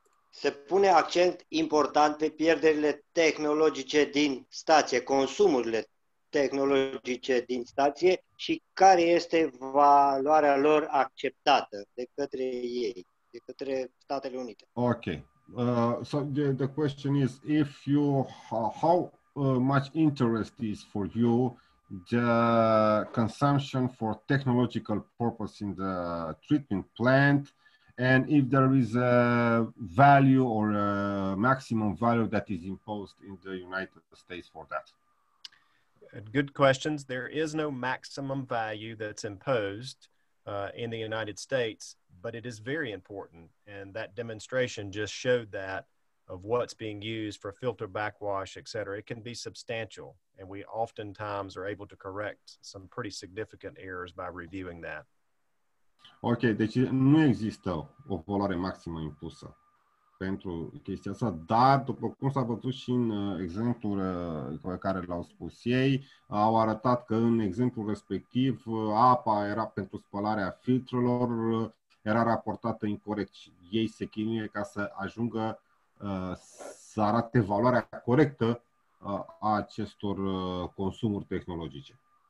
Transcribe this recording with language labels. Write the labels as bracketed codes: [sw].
[ro] Se pune accent important pe pierderile tehnologice din stație, consumurile tehnologice din stație și care este valoarea lor acceptată de către ei, de către Statele Unite. [en] Ok. So the question is, if you how much interest is for you the consumption for technological purpose in the treatment plant? And if there is a value or a maximum value that is imposed in the United States for that? Good questions. There is no maximum value that's imposed in the United States, but it is very important. And that demonstration just showed that of what's being used for filter backwash, et cetera. It can be substantial. And we oftentimes are able to correct some pretty significant errors by reviewing that. [ro] Ok, deci nu există o valoare maximă impusă pentru chestia asta, dar după cum s-a văzut și în exemplul pe care l-au spus ei, au arătat că în exemplul respectiv apa era pentru spălarea filtrelor, era raportată incorrect și ei se chinuie ca să ajungă să arate valoarea corectă a acestor consumuri tehnologice.